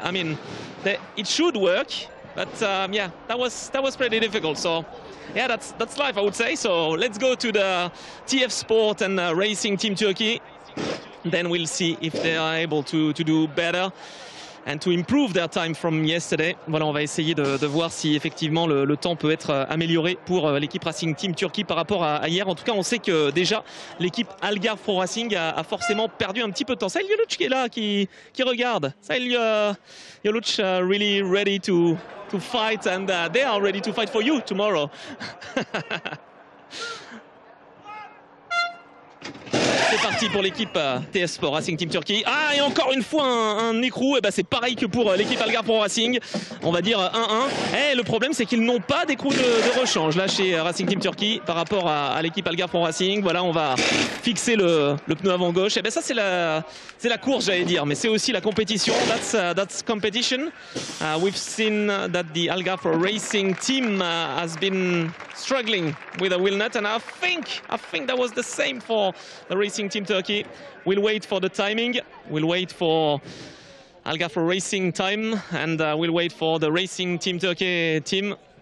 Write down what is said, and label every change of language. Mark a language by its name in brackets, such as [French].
[English] I mean, it should work. But yeah, that was pretty difficult. So yeah, that's life, I would say. So let's go to the TF Sport and Racing Team Turkey. Then we'll see if they are able to do better and to improve their time from yesterday. [French] Voilà, on va essayer de voir si effectivement le temps peut être amélioré pour l'équipe Racing Team Turkey par rapport à hier. En tout cas, on sait que déjà l'équipe Algarve Pro Racing a forcément perdu un petit peu de temps. Salut Yoluch qui est là, qui regarde. [English] Salut Yoluch, really ready to fight, and they are ready to fight for you tomorrow. [French] C'est parti pour l'équipe TF Sport Racing Team Turkey. Ah, et encore une fois un écrou. Et ben c'est pareil que pour l'équipe Algarve Pro Racing. On va dire 1-1. Et le problème, c'est qu'ils n'ont pas d'écrou de rechange là chez Racing Team Turkey par rapport à l'équipe Algarve Pro Racing. Voilà, on va fixer le pneu avant gauche. Et ben ça, c'est la course, j'allais dire, mais c'est aussi la compétition. [English] That's competition. We've seen that the Algarve Pro Racing team has been struggling with a wheel nut, and I think that was the same for the Racing Team Turkey. We'll wait for the timing, we'll wait for Algarve Pro Racing time, and we'll wait for the Racing Team Turkey team.